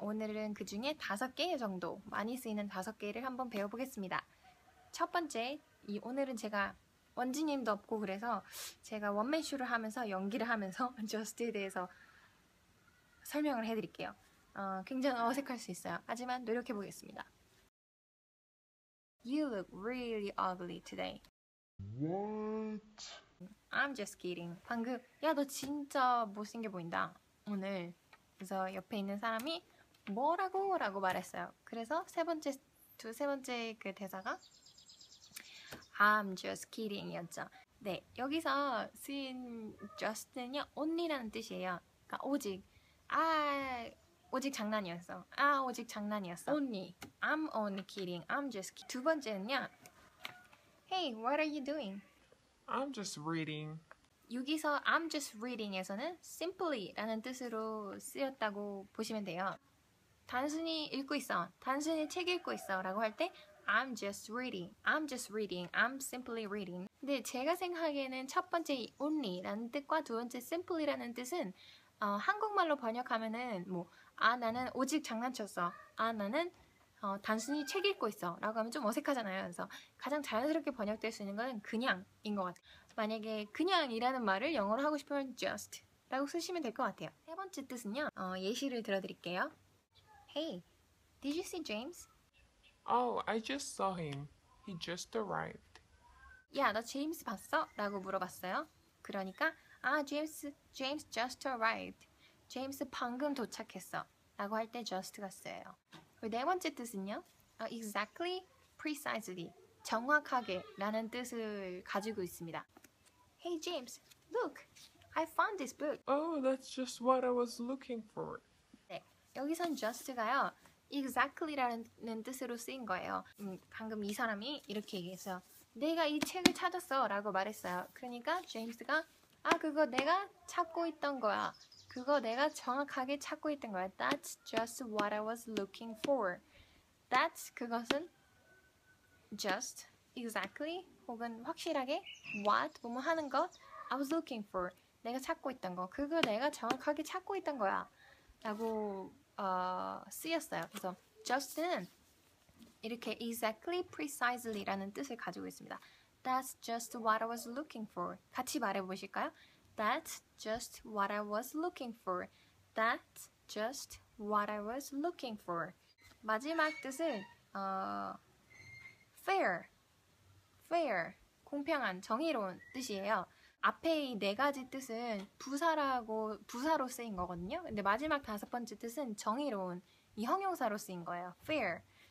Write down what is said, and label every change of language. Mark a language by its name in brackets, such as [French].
[Korean] 오늘은 그 중에 다섯 개 정도, 많이 쓰이는 다섯 개를 한번 배워보겠습니다. 첫 번째, 오늘은 제가 원지님도 없고 그래서 제가 원맨쇼를 하면서 연기를 하면서 Just에 대해서 설명을 해드릴게요. 굉장히 어색할 수 있어요. 하지만 노력해보겠습니다. [English] You look really ugly today. What? I'm just kidding. [Korean] 방금 야 너 진짜 못생겨 보인다 오늘. 그래서 옆에 있는 사람이 뭐라고? 라고 말했어요. 그래서 세 번째 그 대사가 [English] I'm just kidding [Korean] 이었죠. 네, 여기서 쓰인 just는요 only라는 뜻이에요. 그러니까 오직, 아 오직 장난이었어, 아 오직 장난이었어. [English] Only, I'm only kidding, I'm just kidding. [Korean] 두 번째는요 [English] Hey, what are you doing? I'm just reading. [Korean] 여기서 [English] I'm just reading [Korean] 에서는 simply라는 뜻으로 쓰였다고 보시면 돼요. 단순히 읽고 있어, 단순히 책 읽고 있어 라고 할 때 [English] I'm just reading, I'm just reading, I'm simply reading. [Korean] 근데 제가 생각하기에는 첫 번째 only라는 뜻과 두 번째 simply라는 뜻은 한국말로 번역하면은 뭐 아 나는 오직 장난쳤어, 아 나는 단순히 책 읽고 있어 라고 하면 좀 어색하잖아요. 그래서 가장 자연스럽게 번역될 수 있는 건 그냥인 것 같아요. 만약에 그냥이라는 말을 영어로 하고 싶으면 just 라고 쓰시면 될 것 같아요. 세 번째 뜻은요 예시를 들어드릴게요. [English] Hey, did you see James? Oh, I just saw him. He just arrived. [Korean] 야, 너 제임스 봤어? 라고 물어봤어요. 그러니까 아, [English] James just arrived. [Korean] 제임스 방금 도착했어 라고 할 때 just가 쓰여요. 네 번째 뜻은요 exactly, precisely, 정확하게 라는 뜻을 가지고 있습니다. [English] Hey James, look! I found this book! Oh, that's just what I was looking for. [Korean] 네, 여기선 just가요 exactly라는 뜻으로 쓰인 거예요. 방금 이 사람이 이렇게 얘기했어요. 내가 이 책을 찾았어 라고 말했어요. 그러니까 James가 아, 그거 내가 찾고 있던 거야. 그거 내가 정확하게 찾고 있던 거야. [English] That's just what I was looking for. That's [Korean] 그것은 [English] just, exactly, 혹은 확실하게 what, [Korean] 뭐뭐 하는 것 [English] I was looking for. [Korean] 내가 찾고 있던 거. 그거 내가 정확하게 찾고 있던 거야. 라고 쓰였어요. 그래서 just는 이렇게 exactly, precisely 라는 뜻을 가지고 있습니다. [English] That's just what I was looking for. [Korean] 같이 말해보실까요? [English] That's just what I was looking for. That's just what I was looking for. [Korean] 마지막 뜻은 fair, 공평한, 정의로운 뜻이에요. 앞에 이 네 가지 뜻은 부사로 쓰인 거거든요. 근데 마지막 다섯 번째 뜻은 정의로운, 이 형용사로 쓰인 거예요. Fair.